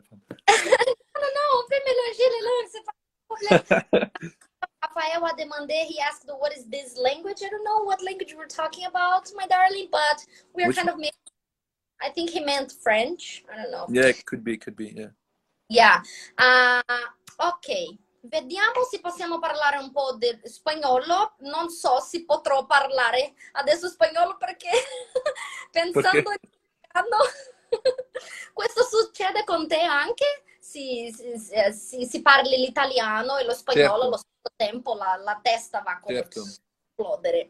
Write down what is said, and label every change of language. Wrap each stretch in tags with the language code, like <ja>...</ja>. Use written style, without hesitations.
<fr>Non, on peut mélanger les langues, c'est pas un problème. Raphael a demandé,</fr> <en>he asked, what is this language? I don't know what language we're talking about, my darling, but we are kind of mixed. I think he meant French, I don't know. Yeah, it could be, yeah. Yeah, ok.</en> <it>Vediamo se possiamo parlare un po' di spagnolo. Non so se potrò parlare adesso spagnolo perché pensando in italiano. Questo succede con te anche? Si parli l'italiano e lo spagnolo allo stesso tempo, la testa va come esplodere.</it>